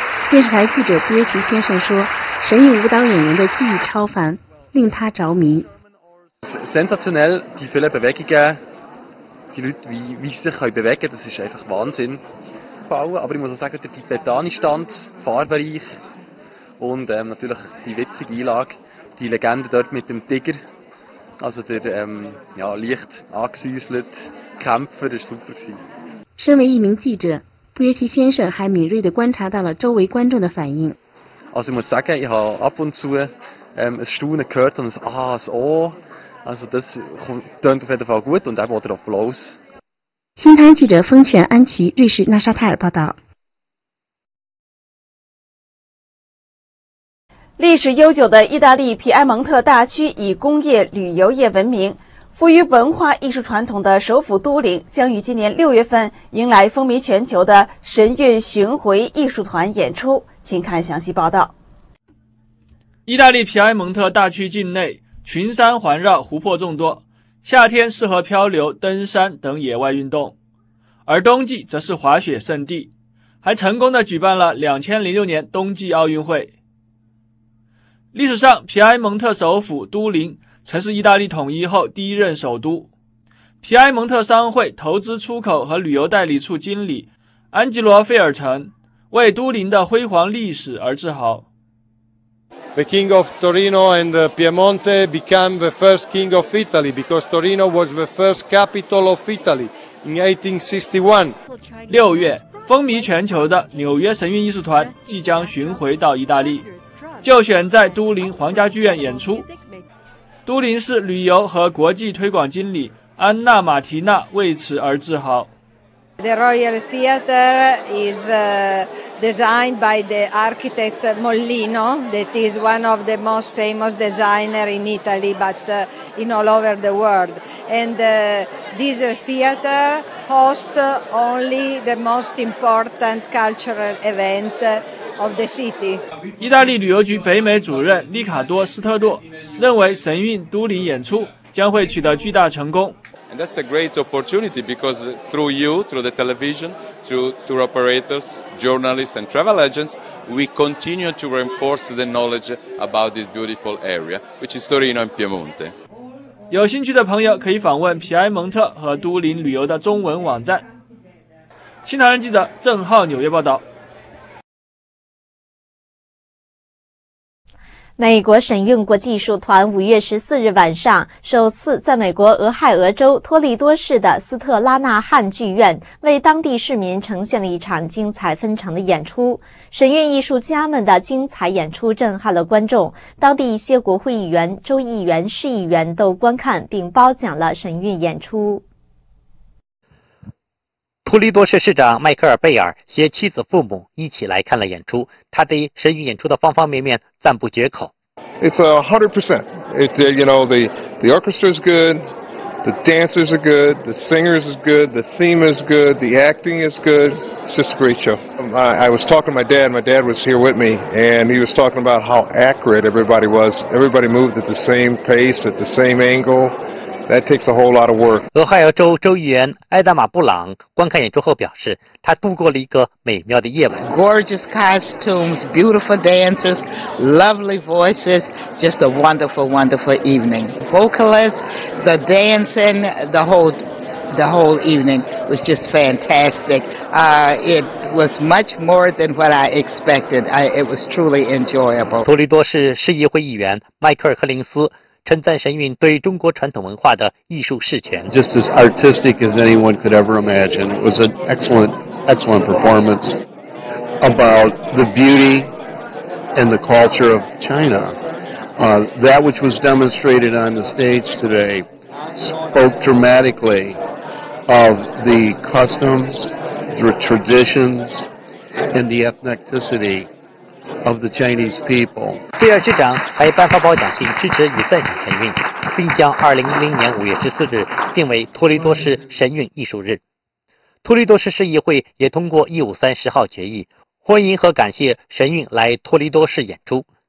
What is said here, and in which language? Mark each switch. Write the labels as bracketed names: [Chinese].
[Chinese] 电视台记者布约奇先生说，神韵舞蹈演员的技艺超凡，令他着迷。 [German] Sensationell, die vielen Bewegungen, die Leute wie sie sich können bewegen, das ist einfach Wahnsinn. Aber ich muss auch sagen, der tibetanische Tanz, farbenreich und natürlich die witzige Einlage, die Legende dort mit dem Tiger, also der leicht angesäuselt Kämpfer, das ist super gewesen. [Chinese] 身为一名记者，布约奇先生还敏锐地观察到了周围观众的反应。 [German] Also ich muss sagen, ich habe ab und zu ein Staunen gehört und ein Oh, also das klingt auf jeden Fall gut und auch der Applaus. [Chinese] 新唐记者风泉安琪瑞士纳沙泰尔报道。历史悠久的意大利皮埃蒙特大区以工业旅游业闻名。富于文化艺术传统的首府都灵将于今年6月份迎来风靡全球的神韵巡回艺术团演出，请看详细报道。意大利皮埃蒙特大区境内群山环绕，湖泊众多，夏天适合漂流、登山等野外运动，而冬季则是滑雪圣地，还成功地举办了2006年冬季奥运会。历史上皮埃蒙特首府都灵曾是意大利统一后第一任首都。皮埃蒙特商会投资出口和旅游代理处经理安吉罗·费尔城为都灵的辉煌历史而自豪。 [English] The king of Torino and Piemonte became the first king of Italy because Torino was the first capital of Italy in 1861. [Chinese] 六月，风靡全球的纽约神韵艺术团即将巡回到意大利，就选在都灵皇家剧院演出。都灵市旅游和国际推广经理安娜·马提娜为此而自豪。 [English] The Royal Theatre is designed by the architect Mollino, that is one of the most famous designers in Italy, but in all over the world. And this theater hosts only the most important cultural event of the city. [Chinese] 意大利旅游局北美主任利卡多·斯特洛认为神韵都灵演出将会取得巨大成功。 [English] And that's a great opportunity because through you, through the television, through tour operators, journalists and travel agents, we continue to reinforce the knowledge about this beautiful area, which is Torino and Piemonte. [Chinese] 有兴趣的朋友可以访问皮埃蒙特和都灵旅游的中文网站。新唐人记者郑浩纽约报道。美国神韵国际艺术团5月14日晚上首次在美国俄亥俄州托利多市的斯特拉纳汉剧院为当地市民呈现了一场精彩纷呈的演出。神韵艺术家们的精彩演出震撼了观众，当地一些国会议员、州议员、市议员都观看并褒奖了神韵演出。托利多市市长迈克尔·贝尔携妻子父母一起来看了演出，他对神韵演出的方方面面赞不绝口。 [English] It's 100%. The orchestra is good, the dancers are good, the singers is good, the theme is good, the acting is good. It's just a great show. I was talking to my dad was here with me, and he was talking about how accurate everybody was. Everybody moved at the same pace, at the same angle. That takes a whole lot of work. [Chinese] 俄亥俄州州议员埃达玛·布朗观看演出后表示，他度过了一个美妙的夜晚。 [English] Gorgeous costumes, beautiful dancers, lovely voices, just a wonderful, wonderful evening. Vocalists, the dancing, the whole evening was just fantastic. It was much more than what I expected. It was truly enjoyable. [Chinese] 托利多市市议会议员迈克尔·柯林斯。称赞神韵对中国传统文化的艺术事权。 [English] Just as artistic as anyone could ever imagine. It was an excellent, excellent performance about the beauty and the culture of China. That which was demonstrated on the stage today spoke dramatically of the customs, the traditions, and the ethnicity. Of the Chinese people. [Chinese] 贝尔市长还颁发褒奖信支持与赞赏神韵，并将2010年5月14日定为托利多市神韵艺术日。托利多市市议会也通过1530号决议，欢迎和感谢神韵来托利多市演出。